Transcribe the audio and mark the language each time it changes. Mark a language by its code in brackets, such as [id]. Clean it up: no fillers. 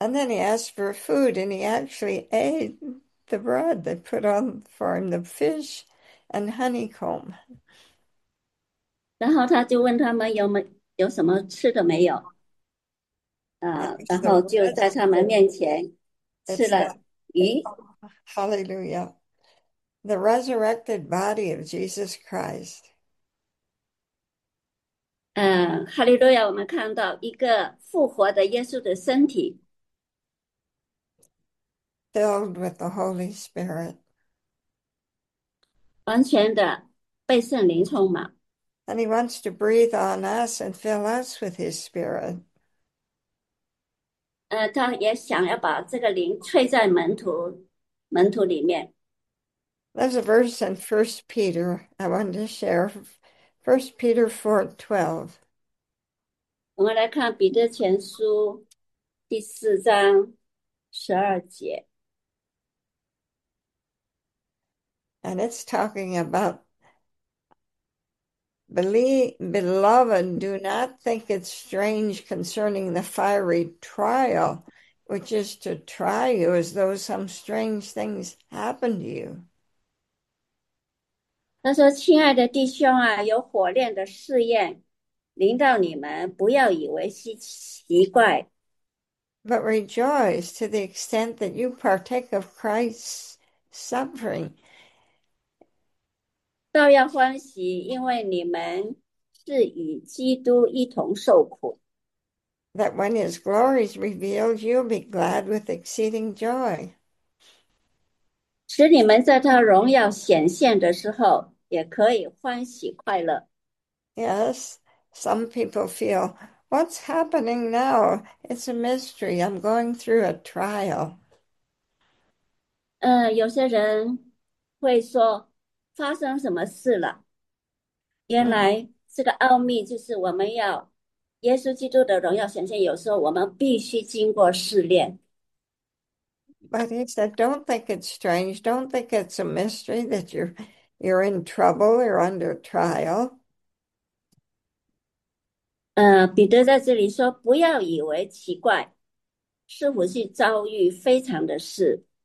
[en] And then he asked for food and he actually ate the bread they put on for him, the fish and honeycomb. [zh] 然后他就问他们有什么吃的没有， [en] It [zh] 然 [en] was the [zh] 后就在他们面前吃 [en] rest. [zh] 了鱼。 [en] Hallelujah. The resurrected body of Jesus Christ. [zh] 哈利路亚，我们看到一个复活的耶稣的身体， [en] Filled with the Holy Spirit. [zh] 完全的被圣灵充满。 [en] And he wants to breathe on us and fill us with his Spirit. [zh] 他也想要把这个灵吹在门徒里面。 [en] There's a verse in 1 Peter I want to share. 1 Peter 4:12. [zh] 我们来看彼得前书第四章12节。 [en] And it's talking about beloved, do not think it strange concerning the fiery trial, which is to try you as though some strange things happened to you. [zh] 他说：“亲爱的弟兄啊，有火炼的试验临到你们，不要以为稀奇怪。 [en] But rejoice to the extent that you partake of Christ's suffering. [zh] 倒要欢喜，因为你们是与基督一同受苦。 [en] That when his glory is revealed, you'll be glad with exceeding joy. [zh] 使你们在他荣耀显现的时候，也可以欢喜快乐。 [en] Yes, some people feel. What's happening now? It's a mystery. I'm going through a trial. [zh] 有些人会说发生什么事了？原来这个奥秘就是我们要耶稣基督的荣耀显现，有时候我们必须经过试炼。 [en] But he said, don't think it's strange. Don't think it's a mystery that you're in trouble, you're under trial. [zh] 彼得在这里说：“不要以为奇怪，似乎是遭遇非常的事。